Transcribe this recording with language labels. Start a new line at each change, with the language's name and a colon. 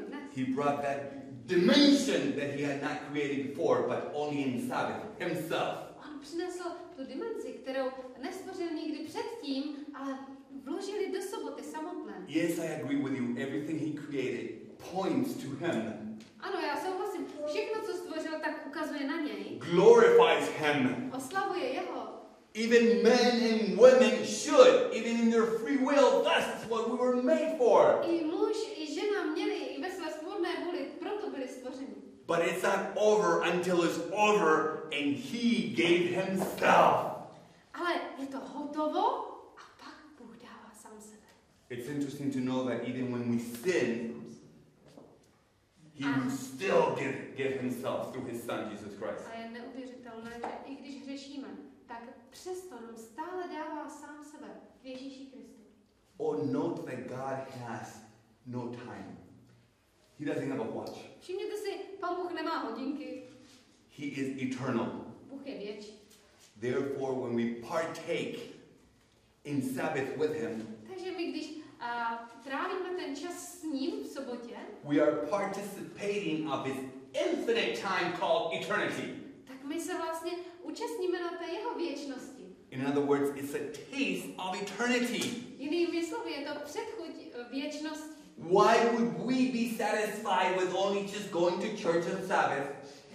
English: He brought that dimension that he had not created before, but only in Sabbath, himself.
Czech: Přinesl tu dimenzi, kterou nestvořil nikdy předtím, ale vložili do soboty samotné.
English: Yes, I agree with you. Everything he created points to him.
Czech: Ano, já souhlasím. Všechno, co stvořil, tak ukazuje na něj.
English: Glorifies him.
Czech: Oslavuje jeho.
English: Even men and women should, even in their free will, that's what we were made for.
Czech: I muž, i žena měli i ve své svobodné vůli, proto byli stvořeni.
English: But it's not over until it's over and he gave himself.
Czech: Ale je to hotovo a pak Bůh dává sám sebe.
English: It's interesting to know that even when we sin, he will still give himself through his son Jesus Christ.
Czech: A je neuvěřitelné, že i když hřešíme, tak přesto nám stále dává sám sebe v Ježíši Kristu.
English: Oh, note that God has no time. He doesn't have a watch.
Czech: Všimněte si, Pán Bůh nemá hodinky.
English: He is eternal.
Czech: Bůh je věčný.
English: Therefore, when we partake in Sabbath with him,
Czech: takže my když trávíme ten čas s ním v sobotě,
English: we are participating of his infinite time called eternity.
Czech: Tak my se vlastně účastníme na té jeho věčnosti.
English: In other words, it's a taste of eternity.
Czech: Jinými slovy, je to předchuť věčnosti.
English: Why would we be satisfied with only just going to church on Sabbath?